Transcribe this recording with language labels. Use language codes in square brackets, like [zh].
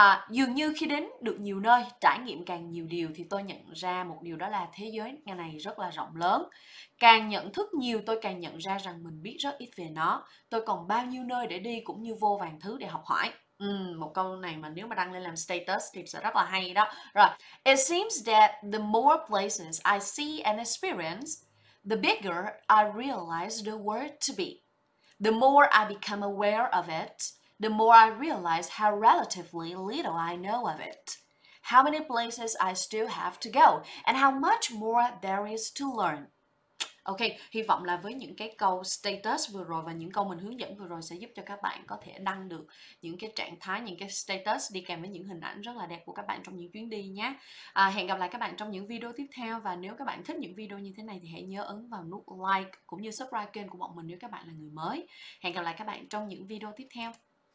[vi] Dường như khi đến được nhiều nơi, trải nghiệm càng nhiều điều thì tôi nhận ra một điều, đó là thế giới ngày này rất là rộng lớn. Càng nhận thức nhiều, tôi càng nhận ra rằng mình biết rất ít về nó. Tôi còn bao nhiêu nơi để đi cũng như vô vàn thứ để học hỏi. Một câu này mà nếu mà đăng lên làm status thì sẽ rất là hay đó. Rồi. [en] It seems that the more places I see and experience, the bigger I realize the world to be. The more I become aware of it, the more I realize how relatively little I know of it, how many places I still have to go, and how much more there is to learn. [vi] Ok, hy vọng là với những cái câu status vừa rồi và những câu mình hướng dẫn vừa rồi sẽ giúp cho các bạn có thể đăng được những cái trạng thái, những cái status đi kèm với những hình ảnh rất là đẹp của các bạn trong những chuyến đi nhé. Hẹn gặp lại các bạn trong những video tiếp theo, và nếu các bạn thích những video như thế này thì hãy nhớ ấn vào nút like cũng như subscribe kênh của bọn mình nếu các bạn là người mới. Hẹn gặp lại các bạn trong những video tiếp theo.